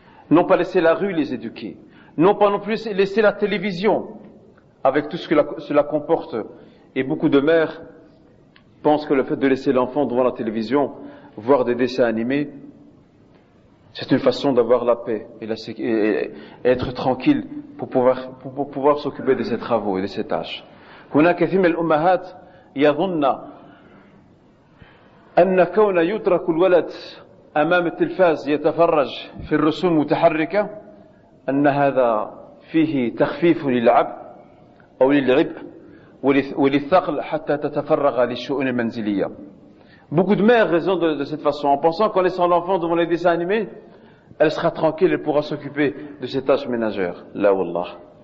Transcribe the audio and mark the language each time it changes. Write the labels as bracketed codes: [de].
[fr] Non pas laisser la rue les éduquer. Non pas non plus laisser la télévision avec tout ce que cela comporte. Et beaucoup de mères pensent que le fait de laisser l'enfant devant la télévision voir des dessins animés, c'est une façon d'avoir la paix et, la, et être tranquille pour pouvoir s'occuper de ses travaux et de ses tâches. [ar] هنا كثير من الأمهات يظن أن كون يترك الولد أمام التلفاز يتفرج في الرسوم المتحركة أن هذا فيه تخفيف للعب أو للعب وللثقل حتى تتفرغ للشؤون المنزلية. [fr] Beaucoup de mères raisonnent de cette façon, en pensant qu'en laissant l'enfant devant les dessins animés, elle sera tranquille, elle pourra s'occuper de ses tâches ménagères. [ar] La wallah.